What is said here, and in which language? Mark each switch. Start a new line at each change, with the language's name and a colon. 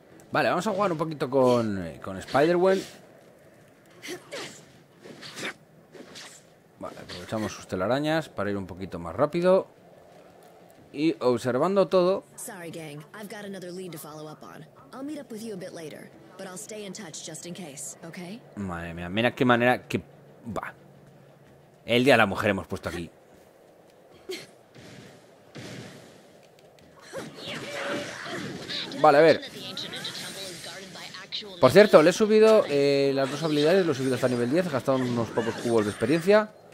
Spanish: Vale, vamos a jugar un poquito con Spider-Gwen. Vale, aprovechamos sus telarañas para ir un poquito más rápido. Y observando todo.
English: Sorry, gang. I've got another lead to follow up on. I'll meet up with you a bit later, but I'll stay in touch just in case, okay?
Spanish: Madre mía, mira qué manera que va. El día de la mujer hemos puesto aquí. Vale, a ver. Por cierto, le he subido las dos habilidades, lo he subido hasta nivel 10, he gastado unos pocos cubos de experiencia.